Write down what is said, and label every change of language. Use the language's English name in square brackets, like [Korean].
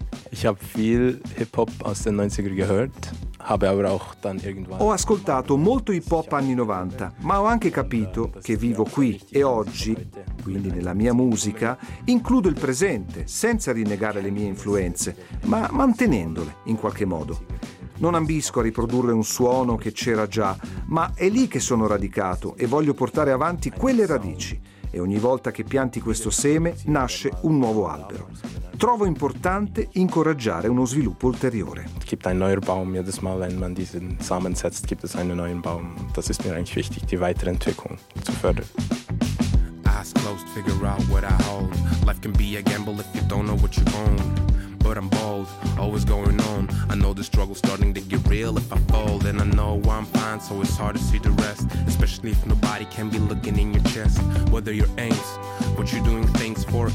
[German] Ich habe viel Hip-Hop aus den 90er gehört, habe aber auch dann irgendwann... [Italian] Ho ascoltato molto hip-hop anni 90, ma ho anche capito che vivo qui e oggi, quindi nella mia musica, includo il presente, senza rinnegare le mie influenze, ma mantenendole in qualche modo. Non ambisco a riprodurre un suono che c'era già, ma è lì che sono radicato e voglio portare avanti quelle radici. E ogni volta che pianti questo seme, nasce un nuovo albero. Trovo importante incoraggiare uno sviluppo ulteriore. [German] Es gibt einen neuen Baum, jedes Mal, wenn man diesen Samen setzt, gibt es einen neuen Baum. Das ist mir eigentlich wichtig, die Weiterentwicklung zu fördern. [English] Eyes closed, figure out what I hold. Life can be a gamble if you don't know what you own. But I'm bold, always going on. I know the struggle's starting to get real if I fold. And I know I'm fine, so it's hard to see the rest. Especially if nobody can be looking in your chest. Whether your aims, what you're doing things for.